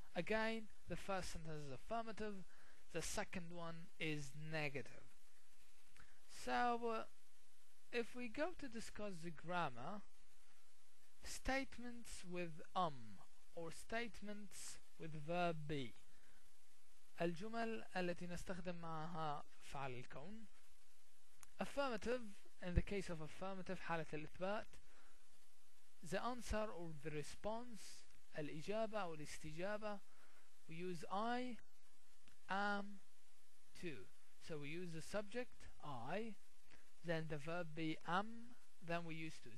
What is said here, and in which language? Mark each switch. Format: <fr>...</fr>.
<en>Again, the first sentence is affirmative, the second one is negative. So, if we go to discuss the grammar, statements with or statements with verb be.</en> <ar>الجمل التي نستخدم معها فعل الكون. Affirmative,</ar> <en>In the case of affirmative,</en> <ar>حالة الإثبات,</ar> <en>the answer or the response,</en> <ar>الإجابة أو الاستجابة,</ar> <en>we use I, am, to. So we use the subject, I, then the verb be am, then we use to.</en>